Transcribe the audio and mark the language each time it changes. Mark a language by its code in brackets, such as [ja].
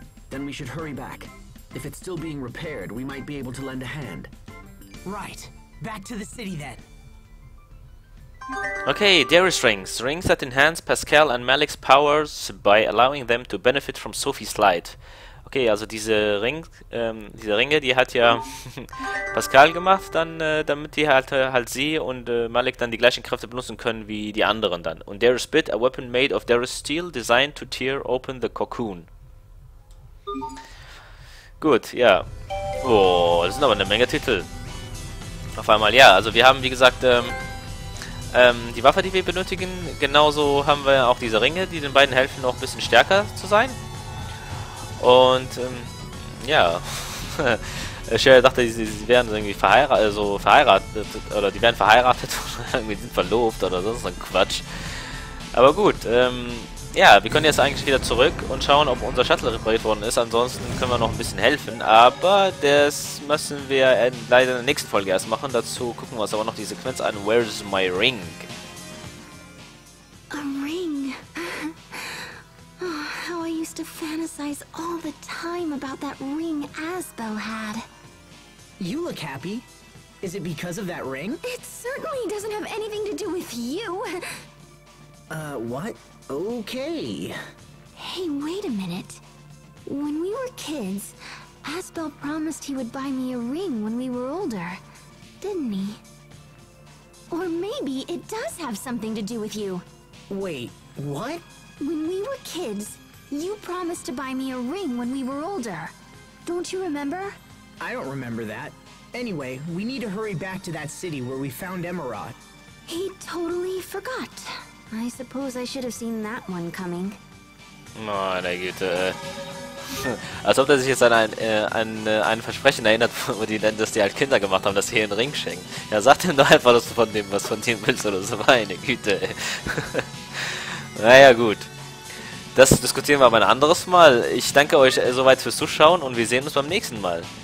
[en] Then we should hurry back. If it's still being repaired, we might be able to lend a hand. Right. Back to the city then. Okay, Darius rings. Rings that enhance Pascal and Malik's powers by allowing them to benefit from Sophie's light. [de] Okay, also diese Ringe, die hat ja Pascal gemacht, dann damit die halt sie und Malik dann die gleichen Kräfte benutzen können wie die anderen dann. [en] Und Darius Bit, a weapon made of Darius Steel, designed to tear open the cocoon. [de] Gut, ja. Oh, das sind aber eine Menge Titel. Auf einmal, ja, also wir haben, wie gesagt, die Waffe, die wir benötigen, genauso haben wir auch diese Ringe, die den beiden helfen, noch ein bisschen stärker zu sein. Und, ja, Sherry dachte, sie wären irgendwie verheiratet, also verheiratet, oder die wären verheiratet oder irgendwie sind verlobt oder so, das ist ein Quatsch. Aber gut, ja, wir können jetzt eigentlich wieder zurück und schauen, ob unser Shuttle repariert worden ist, ansonsten können wir noch ein bisschen helfen, aber das müssen wir leider in der nächsten Folge erst machen, dazu gucken wir uns aber noch die Sequenz an, Where's My Ring? [en] A ring? Oh, how I used to fantasize all the time about that ring Asbel had. You look happy. Is it because of that ring? It certainly doesn't have anything to do with you. What? Okay. Hey, wait a minute. When we were kids, Asbel promised he would buy me a ring when we were older, didn't he? Or maybe it does have something to do with you. Wait, what? When we were kids, you promised to buy me a ring when we were older. Don't you remember? I don't remember that. Anyway, we need to hurry back to that city where we found Emerald. He totally forgot. I suppose I should have seen that one coming. [de] Meine Güte. Als ob er sich jetzt an ein Versprechen erinnert, das die halt Kinder gemacht haben, dass sie hier einen Ring schenken. Ja, sag ihm doch einfach, dass du von dem was von dem willst oder so. Meine Güte. Naja, gut. Das diskutieren wir aber ein anderes Mal. Ich danke euch soweit fürs Zuschauen und wir sehen uns beim nächsten Mal.